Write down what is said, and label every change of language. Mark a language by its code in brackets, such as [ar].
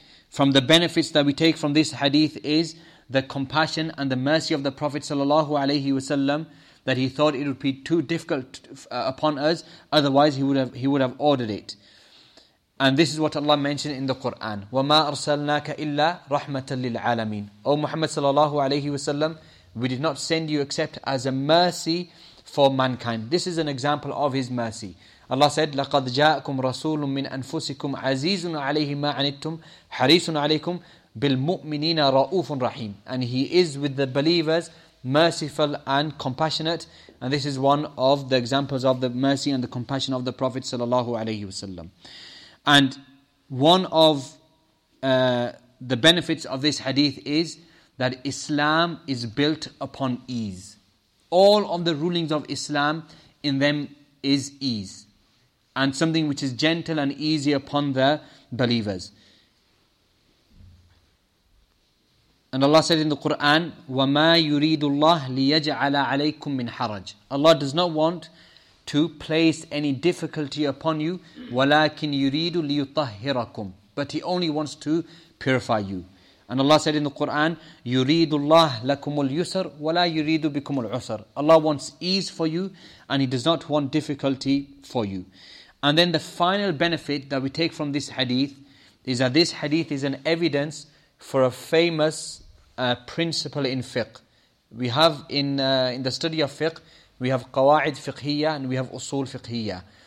[en] From the benefits that we take from this hadith is the compassion and the mercy of the Prophet sallallahu alaihi wasallam, that he thought it would be too difficult upon us, otherwise he would have ordered it. And this is what Allah mentioned in the Quran. [ar] وَمَا أَرْسَلْنَاكَ إِلَّا رَحْمَةً لِلْعَالَمِينَ. [en] O Muhammad sallallahu alayhi wasallam, we did not send you except as a mercy for mankind. This is an example of his mercy. Allah said, [ar] لَقَدْ جَاءَكُمْ رَسُولٌ مِّنْ أَنفُسِكُمْ عَزِيزٌ عَلَيْهِ مَا عَنِتُّمْ حَرِيصٌ عَلَيْكُمْ بِالْمُؤْمِنِينَ رَؤُوفٌ رَحِيمٌ. [en] And he is with the believers, merciful and compassionate. And this is one of the examples of the mercy and the compassion of the Prophet sallallahu alayhi wasallam. And one of the benefits of this hadith is that Islam is built upon ease. All of the rulings of Islam in them is ease, and something which is gentle and easy upon the believers. And Allah said in the Quran, [ar] وَمَا يُرِيدُ اللَّهُ لِيَجْعَلَ عَلَيْكُم مِّنْ حَرَجٍ. [en] Allah does not want to place any difficulty upon you, [ar] وَلَكِنْ يُرِيدُ لِيُطَهِّرَكُمْ. [en] But He only wants to purify you. And Allah said in the Quran, [ar] يُرِيدُ اللَّهُ لَكُمُ الْيُسْرَ وَلَا يُرِيدُ بِكُمُ الْعُسْرَ. [en] Allah wants ease for you, and He does not want difficulty for you. And then the final benefit that we take from this hadith, is that this hadith is an evidence for a famous principle in fiqh. We have in the study of fiqh, we have qawa'id fiqhiyya and we have usul fiqhiyya.